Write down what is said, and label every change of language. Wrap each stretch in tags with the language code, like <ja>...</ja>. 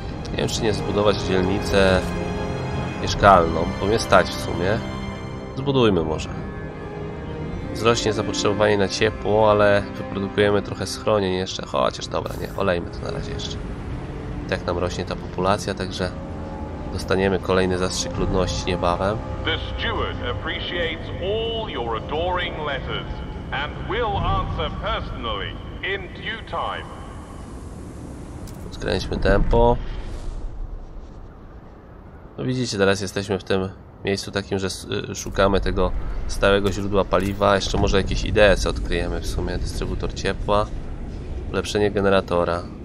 <pl>Nie wiem, czy nie zbudować dzielnicę mieszkalną, bo mnie stać w sumie. Zbudujmy może. Wzrośnie zapotrzebowanie na ciepło, ale wyprodukujemy trochę schronień jeszcze, chociaż dobra, nie, olejmy to na razie jeszcze. I tak nam rośnie ta populacja, także dostaniemy kolejny zastrzyk ludności niebawem.</pl> <en>This steward appreciates all your adoring letters and will answer personally in due time.</en> <pl>Skręćmy tempo. No widzicie, teraz jesteśmy w tym miejscu takim, że szukamy tego stałego źródła paliwa. Jeszcze może jakieś idee, co odkryjemy w sumie. Dystrybutor ciepła. Ulepszenie generatora.</pl>